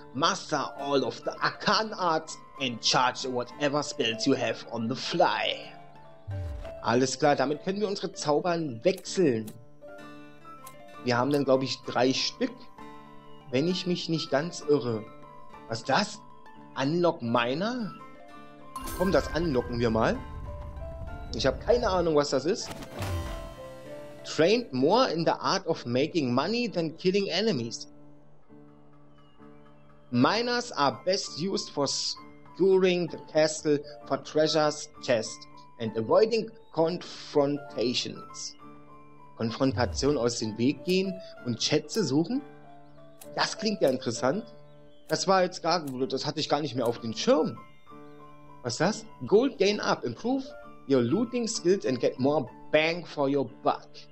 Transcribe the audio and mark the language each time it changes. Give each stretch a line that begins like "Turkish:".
English: Master all of the Arcane Arts and charge whatever spells you have on the fly.
German: Alles klar, damit können wir unsere Zaubern wechseln. Wir haben dann, glaube ich, 3 Stück. Wenn ich mich nicht ganz irre. Was ist das?
English: Unlock Miner?
German: Komm, das unlocken wir mal. Ich habe keine Ahnung, was das ist.
English: Trained more in the art of making money than killing enemies. Miners are best used for scouring the castle for treasures chest and avoiding confrontations.
German: Konfrontation aus dem Weg gehen und Schätze suchen? Das klingt ja interessant. Das war jetzt gar, das hatte ich gar nicht mehr auf dem Schirm. Was ist das?
English: Gold gain up, improve your looting skills and get more bang for your buck.